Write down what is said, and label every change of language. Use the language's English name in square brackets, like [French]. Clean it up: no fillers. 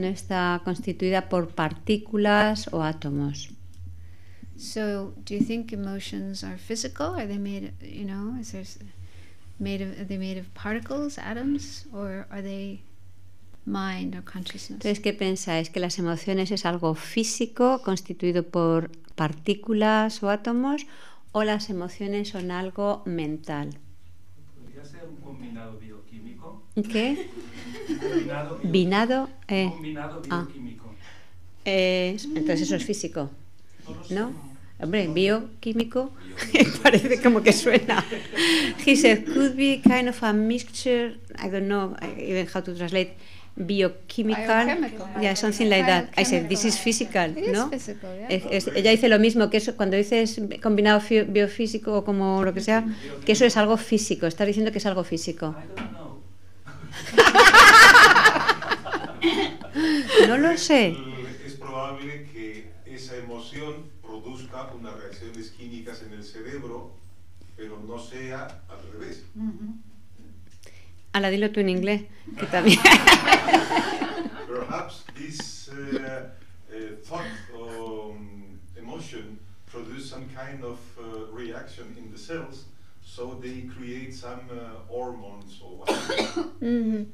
[Spanish] No está constituida por partículas o átomos. [English] So, do you think emotions are physical? Are they made, you know, are they made of particles, atoms, or are they mind or consciousness? [Spanish] Entonces, ¿qué pensáis? ¿Que las emociones es algo físico constituido por partículas o átomos, o las emociones son algo mental? Podría ser un combinado bioquímico. ¿Qué? Combinado. Bioquímico. Entonces, eso es físico. ¿No? Hombre, bioquímico, parece como que suena. [English] He said, could be kind of a mixture, I don't know even how to translate, biochemical. Biochemical. Yeah, something like that. I said, this is physical, ¿no? Physical, yeah. [Spanish] Ella dice lo mismo, que eso, cuando dices combinado biofísico o como lo que sea, que eso es algo físico, estás diciendo que es algo físico. No lo sé. Es probable que esa emoción produzca unas reacciones químicas en el cerebro, pero no sea al revés. Mm-hmm. Ala, dilo tú en inglés, que también. [English] Perhaps this thought or emotion produce some kind of reaction in the cells, so they create some hormones or whatever. Mm-hmm.